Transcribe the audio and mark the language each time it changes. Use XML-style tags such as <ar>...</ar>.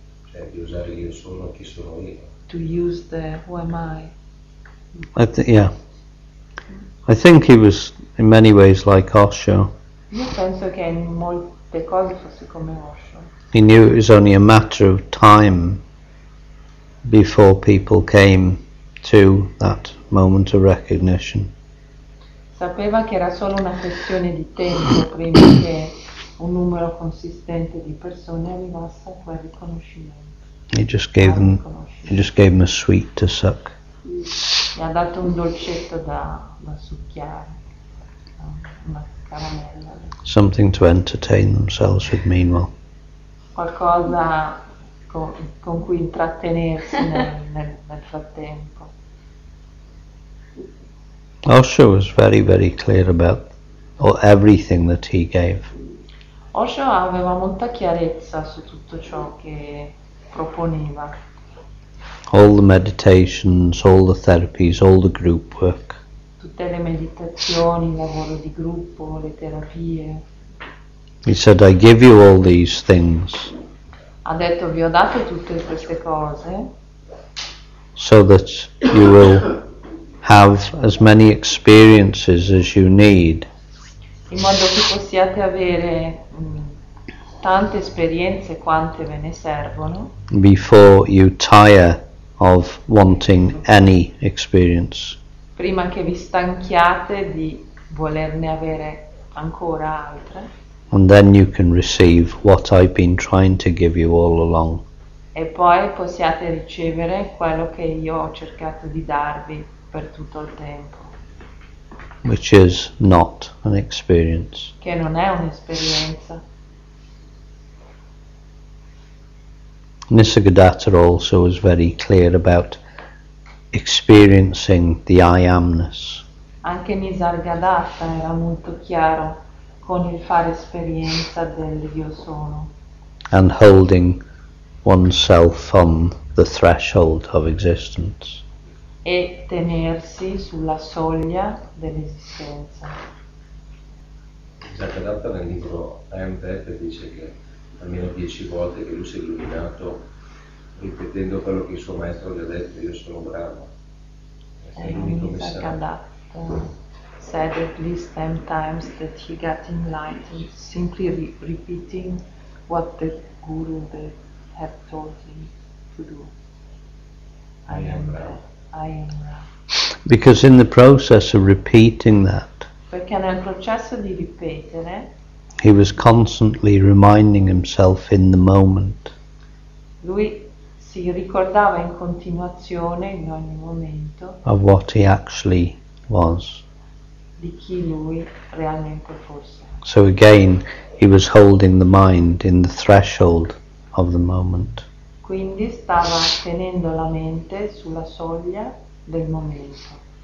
<it>Cioè di usare io sono chi sono io.</it> <en>To use the who am I. I think he was in many ways like Osho.</en> <it>Io penso che in molte cose fosse come Osho.</it> <en>He knew it was only a matter of time before people came to that moment of recognition.</en> <it>Sapeva che era solo una questione di tempo prima che un numero consistente di persone arrivasse a quel riconoscimento.</it> <en>He just gave them a sweet to suck.</en> <it>Gli ha dato un dolcetto da succhiare, una caramella.</it> <en>Something to entertain themselves with meanwhile.</en> <it>Qualcosa con cui intrattenersi nel frattempo.</it> <en>Osho was very, very clear about everything that he gave.</en> <it>Osho aveva molta chiarezza su tutto ciò che proponeva.</it> <en>All the meditations, all the therapies, all the group work.</en> <it>Tutte le meditazioni, il lavoro di gruppo, le terapie.</it> <en>He said, I give you all these things.</en> <it>Ha detto, vi ho dato tutte queste cose.</it> <en>So that you will have as many experiences as you need.</en> <it>In modo che possiate avere tante esperienze quante ve ne servono.</it> <en>Before you tire of wanting any experience.</en> <it>Prima che vi stanchiate di volerne avere ancora altre.</it> <en>And then you can receive what I've been trying to give you all along.</en> <it>E poi possiate ricevere quello che io ho cercato di darvi per tutto il tempo.</it> <en>Which is not an experience.</en> <it>Che non è un'esperienza.</it> <en>Nisargadatta also was very clear about experiencing the I am-ness.</en> <it>Anche Nisargadatta era molto chiaro con il fare esperienza del io sono.</it> <en>And holding oneself on the threshold of existence.</en> <it>E tenersi sulla soglia dell'esistenza. Nisargadatta nel libro I Am Death dice che almeno 10 volte che lui si è illuminato ripetendo quello che il suo maestro gli ha detto, io sono bravo. È l'unico messaggio.</it> <en>said at least 10 times that he got enlightened, simply repeating what the guru had told him to do. I am Ram. Because in the process of repeating that,</en> <it>perché nel processo di ripetere,</it> <en>he was constantly reminding himself in the moment.</en> <it>Lui si ricordava in continuazione, in ogni momento,</it> <en>of what he actually was.</en> <it>Di chi lui realmente fosse.</it> <en>So again, he was holding the mind in the threshold of the moment.</en> <it>Quindi stava tenendo la mente sulla soglia del momento.</it>